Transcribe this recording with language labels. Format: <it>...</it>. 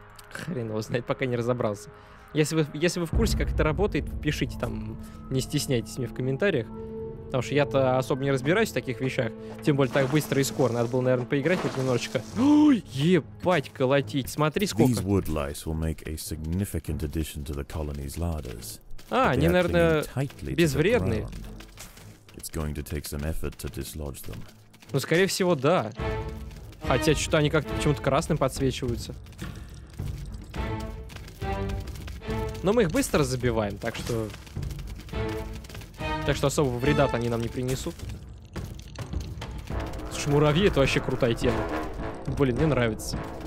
<ru>Хрен его знает, пока не разобрался. Если вы в курсе, как это работает, пишите там, не стесняйтесь мне в комментариях. Потому что я-то особо не разбираюсь в таких вещах. Тем более так быстро и скоро. Надо было, наверное, поиграть хоть немножечко. Ой, ебать, колотить. Смотри, сколько.</ru> <en>These wood lice will make a significant addition to the colony's larders.</en> <ru>А, они, наверное, безвредные.</ru> <en>It's going to take some effort to dislodge them.</en> <ru>Ну, скорее всего, да. Хотя что-то они как-то почему-то красным подсвечиваются. Но мы их быстро забиваем, так что... Так что особого вреда-то они нам не принесут. Слушай, муравьи — это вообще крутая тема. Блин, мне нравится.</ru>